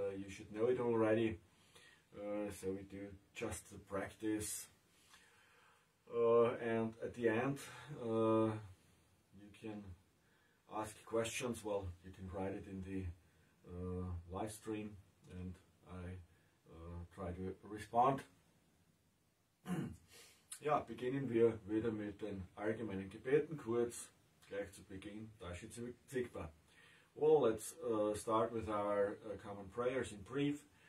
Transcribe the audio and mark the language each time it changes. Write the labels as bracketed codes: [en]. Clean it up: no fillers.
[en] You should know it already. So we do just the practice, and at the end you can ask questions. Well, you can write it in the live stream and I try to respond. [de] Ja, beginnen wir wieder mit den allgemeinen Gebeten, kurz gleich zu Beginn, da ist es sichtbar. [en] Well, let's start with our common prayers in brief.